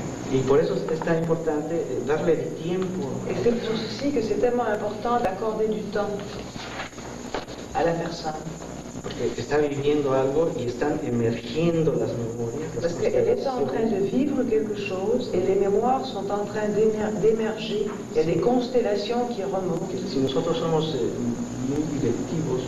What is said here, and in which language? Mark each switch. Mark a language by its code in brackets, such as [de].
[es] Y por eso es tan importante darle el tiempo. [fr] Et c'est pour ceci que c'est tellement important d'accorder du temps à la personne. [es] Porque está viviendo algo y están emergiendo las memorias. [fr] Parce qu'elle est en train de vivre quelque chose et les mémoires sont en train d'émerger. Il y a des constellations qui remontent. [es] Si nosotros somos muy directivos.